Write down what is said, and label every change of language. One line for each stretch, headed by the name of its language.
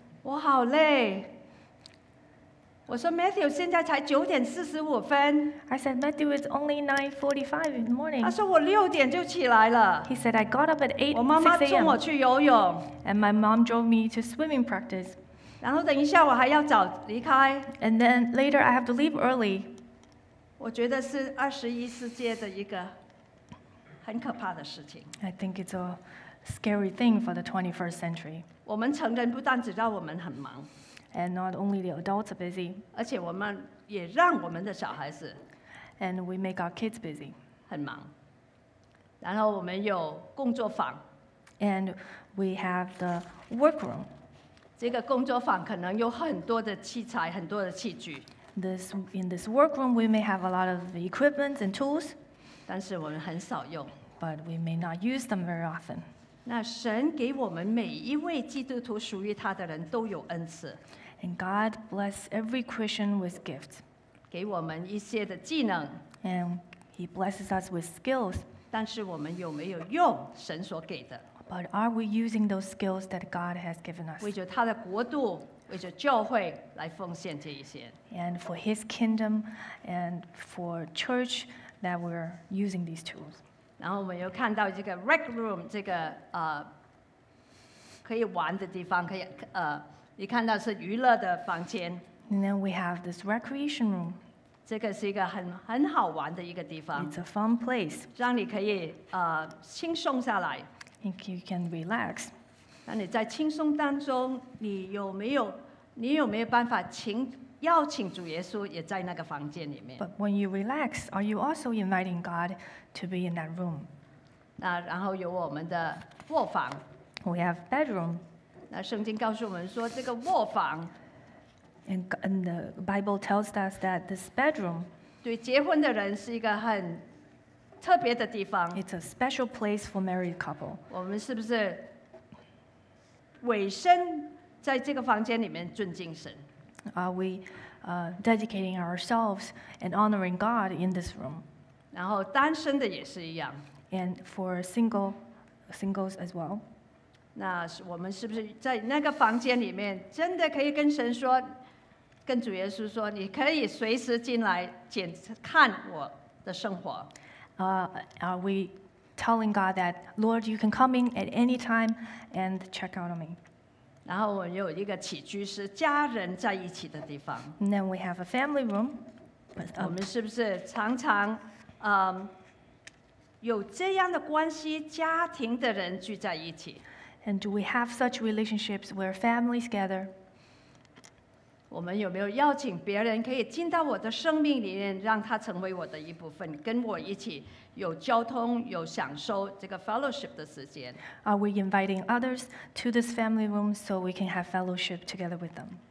Chinese: 我好累。我说 Matthew 现在才9:45。
English: I said Matthew it's only 9:45 in the morning.
Chinese: 他说我6点就起来了。
English: He said I got up at 8:00 a.m.
Chinese: 我妈妈送我去游泳。
English: And my mom drove me to swimming practice.
Chinese: 然后等一下我还要早离开。
English: And then later I have to leave early.
Chinese: 我觉得是二十一世纪的一个很可怕的事情。
English: I think it's a scary thing for the 21st century.
Chinese: 我们成人不但知道我们很忙。
English: And not only the adults are busy,
Chinese: 而且我们也让我们的小孩子
English: and we make our kids busy,
Chinese: 很忙。然后我们有工作坊
English: and we have the workroom.
Chinese: 这个工作坊可能有很多的器材，很多的器具。
English: In this workroom, we may have a lot of equipment and tools.
Chinese: 但是我们很少用。
English: But we may not use them very often.
Chinese: 那神给我们每一位基督徒属于他的人都有恩赐。
English: And God bless every Christian with gifts.
Chinese: 给我们一些的技能。
English: And He blesses us with skills.
Chinese: 但是我们有没有用神所给的？
English: But are we using those skills that God has given us?
Chinese: 为着他的国度，为着教会来奉献这一些。
English: And for His kingdom and for church that we're using these tools.
Chinese: 然后我们又看到这个 rec room 这个可以玩的地方，可以你看到是娱乐的房间。
English: And then we have this recreation room.
Chinese: 这个是一个很好玩的一个地方。
English: It's a fun place.
Chinese: 让你可以轻松下来。
English: Think you can relax.
Chinese: 那你在轻松当中，你有没有办法邀请主耶稣也在那个房间里面
English: ？But when you relax, are you also inviting God to be in that room?
Chinese: 那然后有我们的卧房。
English: We have bedroom.
Chinese: 那圣经告诉我们说，这个卧房。
English: And the Bible tells us that this bedroom.
Chinese: 对结婚的人是一个很特别的地方。
English: It's a special place for married couple.
Chinese: 我们是不是委身在这个房间里面尊敬神？
English: Are we dedicating ourselves and honoring God in this room?
Chinese: 然后单身的也是一样。
English: And for singles as well.
Chinese: 那我们是不是在那个房间里面真的可以跟神说，跟主耶稣说，你可以随时进来检看我的生活。
English: Are we telling God that, Lord, you can come in at any time and check out on me?
Chinese: 然后我们有一个起居室，家人在一起的地方。
English: And then we have a family room.
Chinese: 我们是不是常常有这样的关系，家庭的人聚在一起？
English: And do we have such relationships where families gather?
Chinese: 我们有没有邀请别人可以进到我的生命里面，让他成为我的一部分，跟我一起有交通，有享受这个 fellowship 的时间。
English: Are we inviting others to this family room so we can have fellowship together with them?